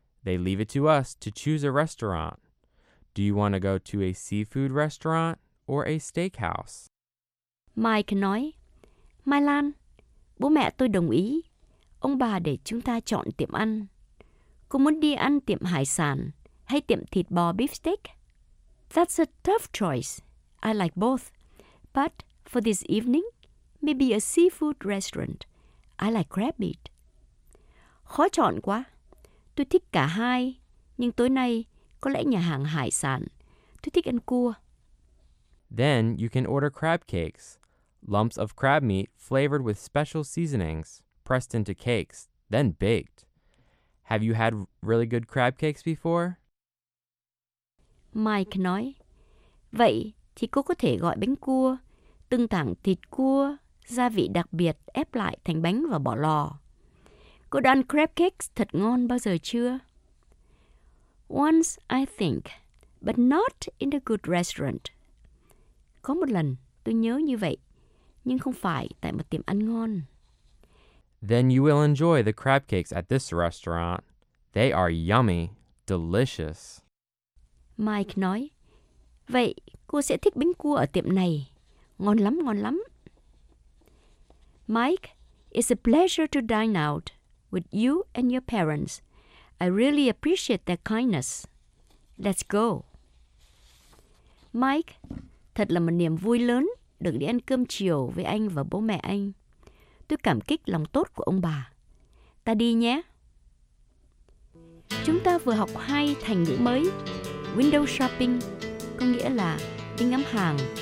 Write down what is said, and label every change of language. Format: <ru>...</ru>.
<en>They leave it to us to choose a restaurant. Do you want to go to a seafood restaurant or a steakhouse?</en> <vi>Mike nói, Mylan, bố mẹ tôi đồng ý. Ông bà để chúng ta chọn tiệm ăn. Cô muốn đi ăn tiệm hải sản hay tiệm thịt bò beefsteak?</vi> <en>That's a tough choice. I like both. But for this evening, maybe a seafood restaurant. I like crab meat.</en> <vi>Khó chọn quá. Tôi thích cả hai. Nhưng tối nay, có lẽ nhà hàng hải sản. Tôi thích ăn cua.</vi> <en>Then you can order crab cakes. Lumps of crab meat flavored with special seasonings, pressed into cakes, then baked. Have you had really good crab cakes before?</en> <vi>Mike nói, vậy thì cô có thể gọi bánh cua, từng tảng thịt cua, gia vị đặc biệt ép lại thành bánh và bỏ lò. Cô đã ăn crab cakes thật ngon bao giờ chưa?</vi> <en>Once, I think, but not in a good restaurant.</en> <vi>Có một lần, tôi nhớ như vậy, nhưng không phải tại một tiệm ăn ngon.</vi> <en>Then you will enjoy the crab cakes at this restaurant. They are yummy, delicious.</en> <vi>Mike nói, vậy cô sẽ thích bánh cua ở tiệm này. Ngon lắm, ngon lắm.</vi> <en>Mike, it's a pleasure to dine out with you and your parents. I really appreciate their kindness. Let's go.</en> <vi>Mike, thật là một niềm vui lớn được đi ăn cơm chiều với anh và bố mẹ anh. Tôi cảm kích lòng tốt của ông bà. Ta đi nhé. Chúng ta vừa học hai thành ngữ mới. Window shopping có nghĩa là đi ngắm hàng.</vi>